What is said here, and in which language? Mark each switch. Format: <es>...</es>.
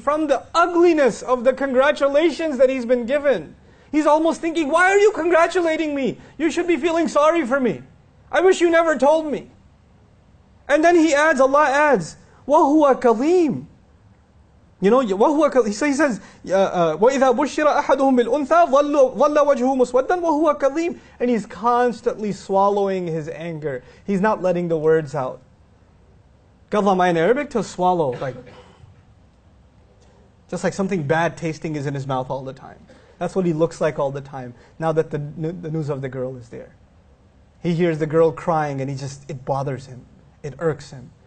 <en>From the ugliness of the congratulations that he's been given. He's almost thinking, why are you congratulating me? You should be feeling sorry for me. I wish you never told me. And then he adds, Allah adds,</en> <ar>وَهُوَ كَظِيمٌ.</ar> <en>You know,</en> <ar>وَهُوَ كَظِيمٌ.</ar> <en>So he says,</en> <ar>وَإِذَا بُشِّرَ أَحَدُهُمْ بِالْأُنْثَى ظَلَّ وَجْهُهُ مُسْوَدًّا وَهُوَ كَظِيمٌ.</ar> <en>And he's constantly swallowing his anger. He's not letting the words out. قضم in Arabic to swallow, like just like something bad tasting is in his mouth all the time. That's what he looks like all the time. Now that the news of the girl is there, he hears the girl crying, and it bothers him, it irks him.</en>